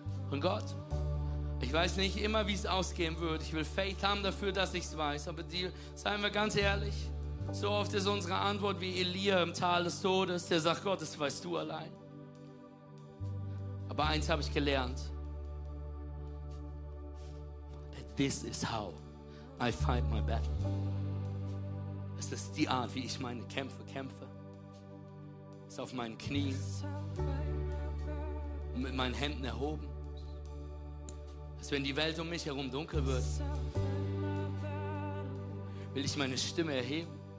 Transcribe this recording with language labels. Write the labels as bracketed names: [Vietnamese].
[German] Und Gott, ich weiß nicht immer, wie es ausgehen wird. Ich will Faith haben dafür, dass ich es weiß. Aber dir, seien wir ganz ehrlich, so oft ist unsere Antwort wie Elia im Tal des Todes, der sagt, Gott, das weißt du allein. Aber eins habe ich gelernt. [English] This is how I fight my battle. [German] Es ist die Art, wie ich meine Kämpfe kämpfe. Es ist auf meinen Knien und mit meinen Händen erhoben. Es ist, wenn die Welt um mich herum dunkel wird, will ich meine Stimme erheben.